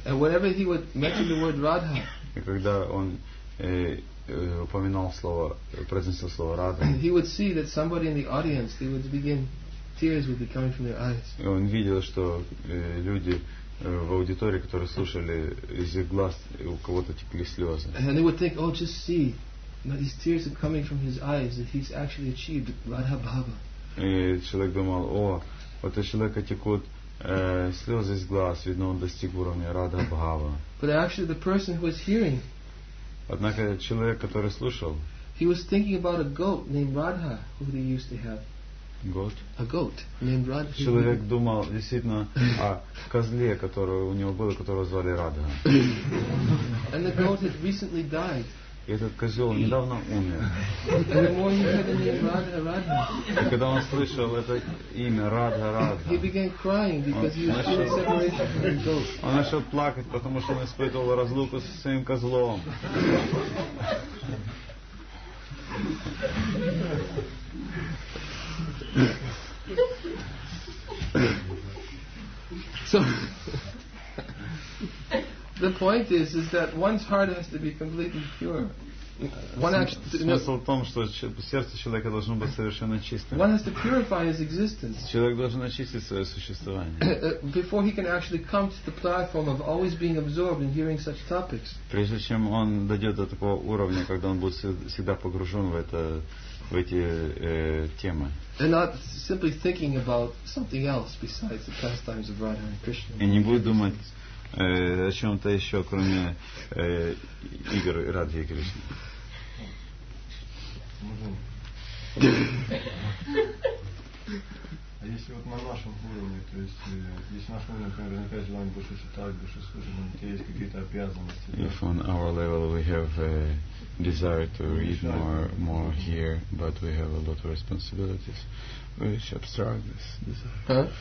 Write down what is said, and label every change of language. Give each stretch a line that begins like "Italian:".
English: And whenever he would mention the word Radha,
Russian: и когда он упоминал слово, произносил слово Радха,
English: he would see that somebody in the audience, they would begin, tears would be coming from their eyes.
Russian: Он видел, что люди в аудитории, которые слушали, из их глаз у кого-то текли слезы.
English: And they would think, oh, just see, these tears are coming from his eyes, that he's actually achieved Radha Bhava.
Russian: И человек думал, о, вот у человека текут слезы из глаз, видно, он достиг уровня Радха Бхава.
English: But actually the person who was hearing,
Russian: однако человек, который слушал,
English: he was thinking about a goat named Radha, who they used to have. Goat? A goat named Radha.
Russian: Человек думал действительно о козле, который у него был, которого звали Радха.
English: And the goat had recently died.
Russian: Этот козел недавно умер.
English: And the more he heard the name Radha, Radha.
Russian: И когда он слышал это имя Радха, Радха,
English: he began crying because he was feeling separation from the goat.
Russian: Он начал плакать, потому что он испытывал разлуку со своим козлом.
English: So the point is that one's heart has to be completely pure.
Russian: Смысл в том, что сердце человека должно быть совершенно чистым.
English: One has to purify his existence.
Russian: Человек должен очистить свое существование.
English: Before he can actually come to the platform of always being absorbed in hearing such topics.
Russian: Прежде чем он дойдет до такого уровня, когда он будет всегда погружен в это. В эти темы.
English: And not simply thinking about something else besides the pastimes of Radha and Krishna.
Russian: И не будет думать о чем-то еще, кроме игр Радхи и Кришны. А если вот на нашем уровне, то есть если наш уровень, например, на 5 желаний больше читать, больше слушать, у тебя есть какие-то обязанности.
English: If on our level we have a desire to read more here, but we have a lot of responsibilities, we should abstract this desire.